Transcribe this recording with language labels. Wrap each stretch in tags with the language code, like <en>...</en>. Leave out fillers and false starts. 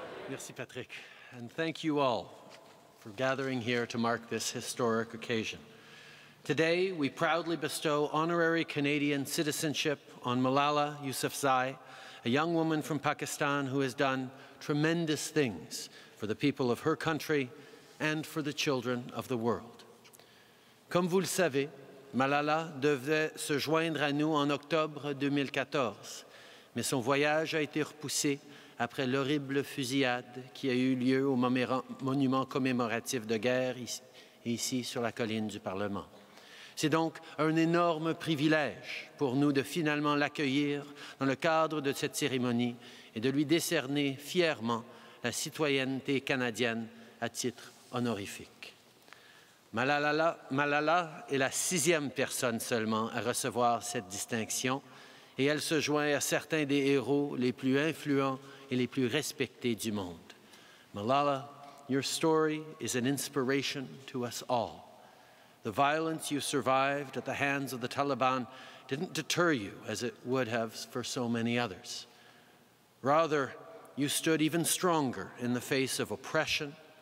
<fr>Merci, Patrick,</fr> <en>and thank you all for gathering here to mark this historic occasion. Today, we proudly bestow honorary Canadian citizenship on Malala Yousafzai, a young woman from Pakistan who has done tremendous things for the people of her country and for the children of the world.</en> <fr>Comme vous le savez, Malala devait se joindre à nous en octobre 2014, mais son voyage a été repoussé après l'horrible fusillade qui a eu lieu au monument commémoratif de guerre ici sur la colline du Parlement. C'est donc un énorme privilège pour nous de finalement l'accueillir dans le cadre de cette cérémonie et de lui décerner fièrement la citoyenneté canadienne à titre honorifique. Malala est la sixième personne seulement à recevoir cette distinction, et elle se joint à certains des héros les plus influents et les plus respectés du monde.</fr> <en>Malala, your story is an inspiration to us all. The violence you survived at the hands of the Taliban didn't deter you as it would have for so many others. Rather, you stood even stronger in the face of oppression.</en>